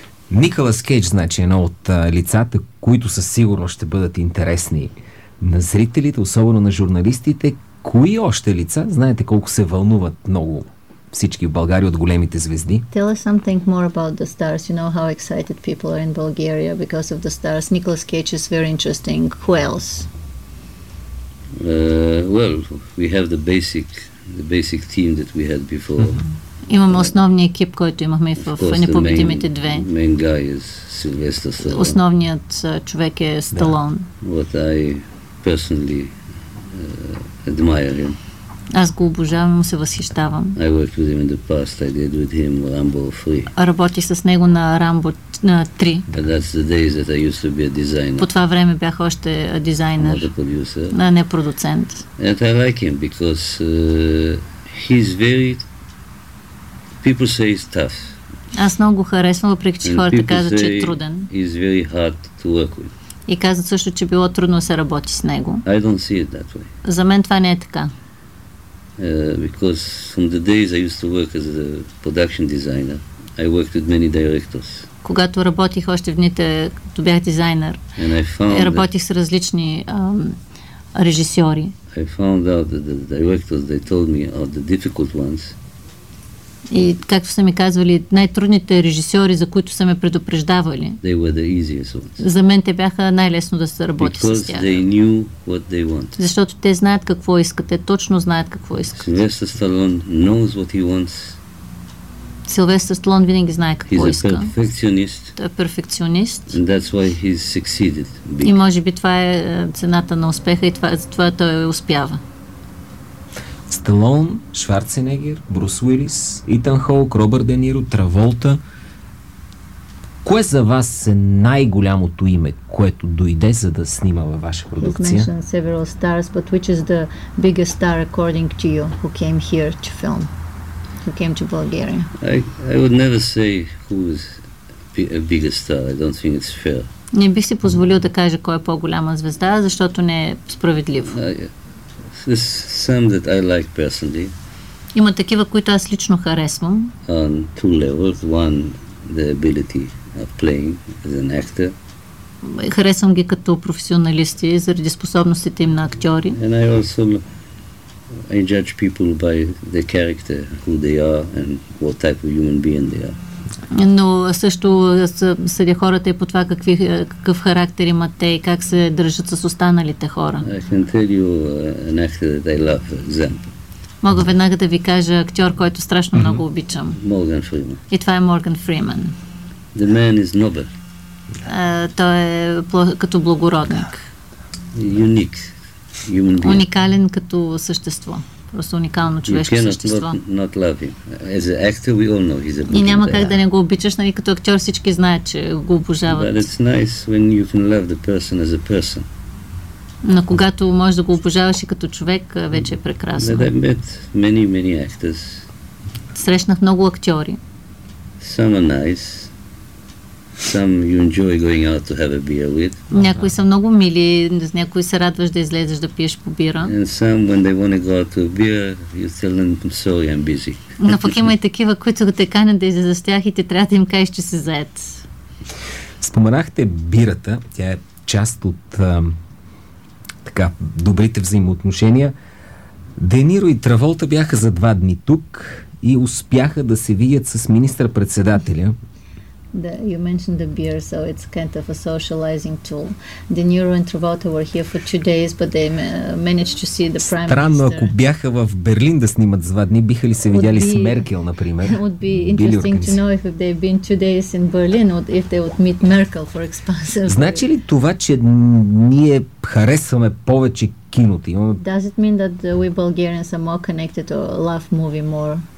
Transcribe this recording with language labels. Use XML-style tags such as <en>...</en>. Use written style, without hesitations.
<bg>Николас Кейдж, значи, едно от лицата, които със сигурност ще бъдат интересни на зрителите, особено на журналистите. Кои още лица? Знаете колко се вълнуват много всички в България от големите звезди.</bg> <en>Tell us something more about the stars. You know how excited people are in Bulgaria because of the stars. Nicolas Cage is very interesting. Who else? Well, we have the basic team that we had before. Mm-hmm.</en> <bg>Имаме основния екип, който имахме в Непобедимите две.</bg> <en>Main guy is Sylvester Stallone.</en> <bg>Основният човек е Сталон.</bg> <en>What I personally admire him.</en> <bg>Аз го обожавам, му се възхищавам.</bg> <en>I worked with him in the past. I did with him Rambo 3.</en> <bg>Работи с него на Rambo 3.</bg> <en>But that's the days that I used to be a designer.</en> <bg>По това време бях още дизайнер.</bg> <en>Not a producer.</en> <bg>Не продуцент.</bg> <en>And I like him because he's very... People say he's tough.</en> <bg>Аз много го харесвам, въпреки че хората казват, че е труден.</bg> <en>He's very hard to work with.</en> <bg>И казват също, че било трудно да се работи с него.</bg> <en>I don't see it that way.</en> <bg>За мен това не е така.</bg> <en>Because from the days I used to work as a production designer, I worked with many directors.</en> <bg>Когато работих още в дните, като бях дизайнер, работих с различни режисьори.</bg> <en>I found out that the directors, they told me, are the difficult ones.</en> <bg>И както са ми казвали, най-трудните режисьори, за които са ме предупреждавали,</bg> <en>they were the easiest ones.</en> <bg>За мен те бяха най-лесно да се работи</bg> <en>because</en> <bg>с тях.</bg> <en>They knew what they want.</en> <bg>Защото те знаят какво искат, те точно знаят какво искат.</bg> <en>Sylvester Stallone knows what he wants.</en> <bg>Sylvester Stallone винаги знае какво</bg> <en>he's</en> <bg>иска.</bg> <en>A perfectionist.</en> <bg>Той е перфекционист.</bg> <en>And that's why he's succeeded.</en> <bg>И може би това е цената на успеха и затова той успява. Сталон, Шварценегер, Брус Уилис, Итан Хоук, Робърт Де Ниро, Траволта. Кое за вас е най-голямото име, което дойде за да снима във ваша продукция?</bg> <en>He's mentioned several stars, but which is the biggest star according to you who came here to film? who came to Bulgaria? I would never say who's a bigger star. I don't think it's fair.</en> <bg>Не бих си позволил да кажа кой е по-голяма звезда, защото не е справедливо.</bg> <en>There's some that I like personally.</en> <bg>Има такива, които аз лично харесвам.</bg> <en>On two levels, one the ability of playing as an actor.</en> <bg>Харесвам ги като професионалисти заради способностите им на актьори.</bg> <en>And I also I judge people by the character, who they are and what type of human being they are.</en> <bg>Но също съдя хората и по това какъв характер имат те и как се държат с останалите хора.</bg> <en>I can tell you an actor that I love, for example.</en> <bg>Мога веднага да ви кажа актьор, който страшно много обичам.</bg> <en>Morgan Freeman.</en> <bg>И това е Morgan Freeman.</bg> <en>The man is noble.</en> <bg>Той е като благородник.</bg> <en>Unique human being.</en> <bg>Уникален като същество. Просто уникално човешко същество.</bg> <en>Not love him. As an actor, we all know he's a good guy.</en> <bg>И няма как да не го обичаш, нали, като актьор всички знаят, че го обожават.</bg> <en>But it's nice when you can love the person as a person.</en> <bg>Но когато можеш да го обожаваш и като човек, вече е прекрасно.</bg> <en>But I've met many, many actors.</en> <bg>Срещнах много актьори.</bg> <en>Some are nice. Some you enjoy going out to have a beer with.</en> <bg>Някои са много мили, някои се радваш да излезеш да пиеш по бира.</bg> <en>And some when they want to go out to a beer, you tell them I'm sorry, I'm busy.</en> <bg>Но пък има и такива, които те канят да излезеш с тях и те трябва да им кажеш, че си зает. Споменахте бирата, тя е част от така добрите взаимоотношения. Де Ниро и Траволта бяха за два дни тук и успяха да се видят с министър-председателя.</bg> <en>You mentioned the beer, so it's kind of a socializing tool. De Niro and Travolta were here for two days, but they managed to see the prime minister.</en> <bg>Странно, ако бяха в Берлин да снимат за два дни, биха ли се видяли с Меркел, например?</bg> <en>It would be interesting to know if they've been two days in Berlin, if they would meet Merkel for expansive.</en> <bg>Значи ли това, че ние харесваме повече киното?</bg> <en>Does it mean that we Bulgarians are more connected or love movie more?</en>